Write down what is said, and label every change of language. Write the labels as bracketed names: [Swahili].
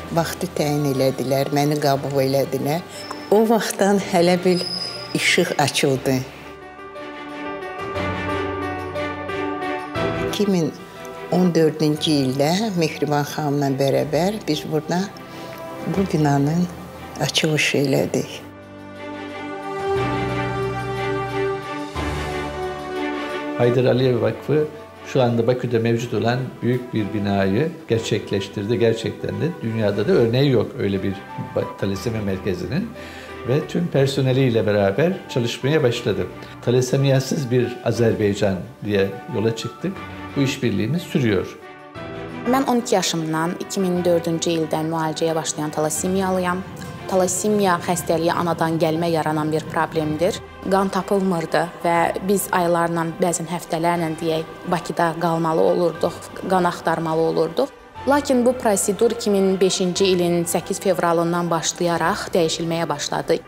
[Azerbaijani] Vaxtı təyin elədilər, məni qabul elədilər. O vaxtdan hələ bil işıq açıldı. 2014-cü ildə Mehriban xanımla bərabər biz burada bu binanın açılışı elədik. [Turkish] Heydər Əliyev Vakfı şu anda Bakü'de mevcut olan büyük bir binayı gerçekleştirdi. Gerçekten de dünyada da örneği yok öyle bir talasemi merkezinin. Ve tüm personeliyle beraber çalışmaya başladı. Talasemiyasız bir Azerbaycan diye yola çıktık. Bu işbirliğimiz sürüyor. Ben 12 yaşımdan 2004. ilden [Azerbaijani] müalicəyə başlayan talasemiyalıyam. Talasemiya xəstəliyi anadan gəlmə yaranan bir problemdir. Qan tapılmırdı və biz aylarla, bəzən həftələrlə deyək, Bakıda qalmalı olurduq, qan axtarmalı olurduq. Lakin bu prosedur 2005-ci ilin 8 fevralından başlayaraq dəyişilməyə başladı.